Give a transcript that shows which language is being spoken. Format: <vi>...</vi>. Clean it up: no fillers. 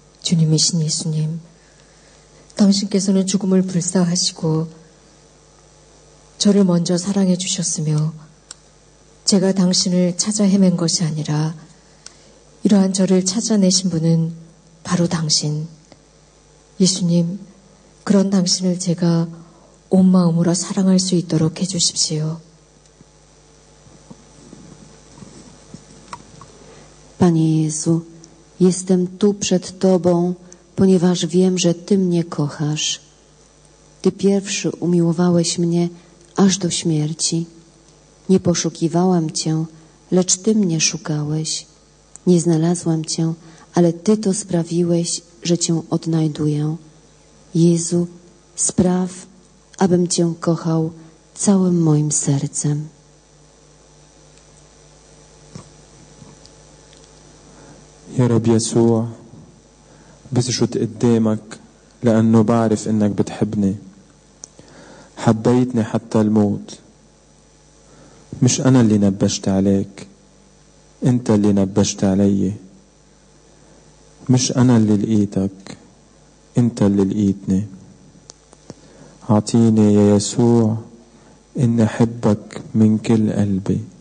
<ko>주님이신 예수님, 당신께서는 죽음을 불사하시고 저를 먼저 사랑해 주셨으며 제가 당신을 찾아 헤맨 것이 아니라 이러한 저를 찾아내신 분은 바로 당신, 예수님, 그런 당신을 제가 온 마음으로 사랑할 수 있도록 해주십시오.</ko> <pl>Panie Jezu, jestem tu przed Tobą, ponieważ wiem, że Ty mnie kochasz. Ty pierwszy umiłowałeś mnie aż do śmierci. Nie poszukiwałem Cię, lecz Ty mnie szukałeś. Nie znalazłem Cię, ale Ty to sprawiłeś, że Cię odnajduję. Jezu, spraw, abym Cię kochał całym moim sercem.</pl> <ar>يا رب يسوع بشهد قدامك لأنه بعرف إنك بتحبني حبيتني حتى الموت مش أنا اللي نبشت عليك أنت اللي نبشت علي مش أنا اللي لقيتك أنت اللي لقيتني أعطيني يا يسوع إن أحبك من كل قلبي</ar>